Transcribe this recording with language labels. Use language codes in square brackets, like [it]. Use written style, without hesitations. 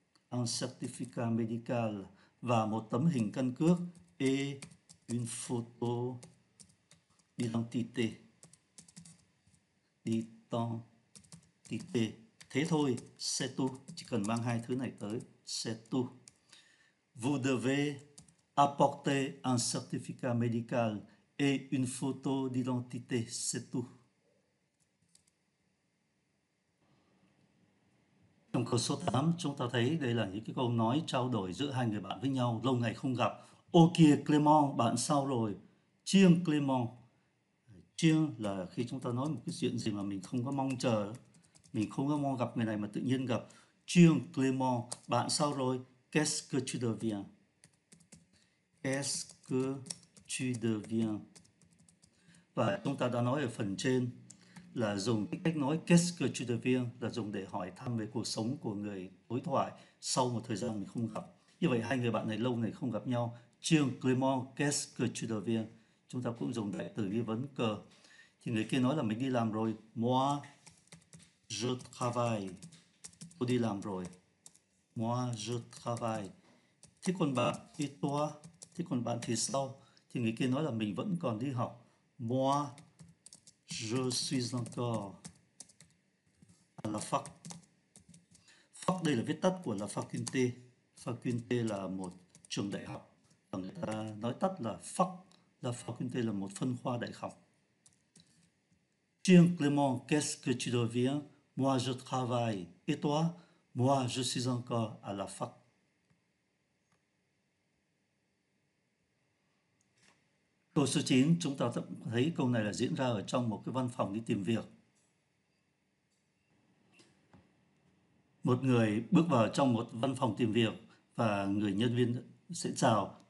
[fr] Un certificat médical. [vi] Và một tấm hình căn cước. [fr] Et une photo d'identité. D'identité. [vi] Thế thôi, [fr] c'est tout. [vi] Chỉ cần mang hai thứ này tới, [fr] c'est tout. Vous devez apporter un certificat médical et une photo d'identité, c'est tout. [vi] câu số 8 chúng ta thấy đây là những cái câu nói trao đổi giữa hai người bạn với nhau lâu ngày không gặp. Ô kìa Clément, bạn sao rồi? Chiêng Clément. Chiêng là khi chúng ta nói một cái chuyện gì mà mình không có mong chờ, mình không có mong gặp người này mà tự nhiên gặp. Chiêng Clément, bạn sao rồi? [fr] Qu'est-ce que tu deviens? Qu'est-ce que tu deviens? [vi] Và chúng ta đã nói ở phần trên là dùng cái cách nói [fr] qu'est-ce que tu deviens [vi] là dùng để hỏi thăm về cuộc sống của người đối thoại sau một thời gian mình không gặp. Như vậy hai người bạn này lâu ngày không gặp nhau, Chiang Clément, [fr] qu'est-ce que tu deviens? [vi] Chúng ta cũng dùng đại từ nghi vấn cơ. Thì người kia nói là mình đi làm rồi. [fr] Moi, je travaille. [vi] Tôi đi làm rồi. [fr] Moi, je travaille. [vi] Thế còn bạn, [fr] et toi? [vi] Thế còn bạn thì sao? Thì người kia nói là mình vẫn còn đi học. [fr] Moi, je suis encore à la fac. [vi] Fac đây là viết tắt của la faculté. Faculté là một trường đại học. Và người ta nói tắt là fac. La faculté là một phân khoa đại học. [fr] Tiens, Clément, qu'est-ce que tu deviens? Moi, je travaille. Et toi? Moi, je suis encore à la fac. [vi] Câu số 9, chúng ta thấy câu này là diễn ra ở trong một cái văn phòng đi tìm việc. Một người bước vào trong một văn phòng tìm việc và người nhân viên sẽ chào.